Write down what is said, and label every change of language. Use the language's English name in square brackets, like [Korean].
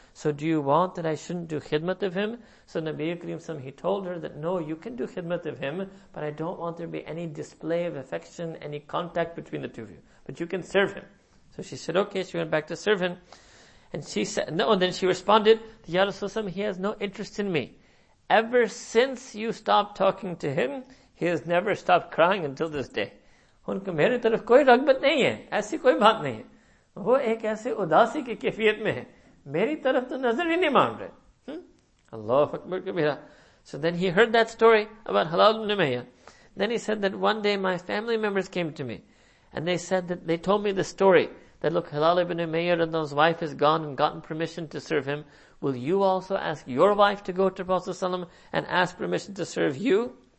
[English] So do you want that I shouldn't do khidmat of him? So Nabi Kareem Sallallahu Alaihi Wasallam, he told her that, no, you can do khidmat of him, but I don't want there to be any display of affection, any contact between the two of you. But you can serve him. So she said, okay, she went back to serve him. And she said, no, and then she responded, Ya Rasulullah Sallallahu Alaihi Wasallam, he has no interest in me. Ever since you stopped talking to him, he has never stopped crying until this day. [Urdu] ان کو میری طرف کوئی رغبت نہیں ہے۔ ایسی کوئی بات نہیں ہے۔ وہ ایک ایسے اداسی کی کیفیت میں ہے۔ میری طرف تو نظر ہی نہیں مان رہے۔ [Arabic] Allahu Akbar kabira. [English] So then he heard that story about Hilal ibn Umayyah. Then he said that one day my family members came to me. And they said that they told me the story. That look, Hilal ibn Umayyah and his wife has gone and gotten permission to serve him. Will you also ask your wife to go to Prophet ﷺ and ask permission to serve you?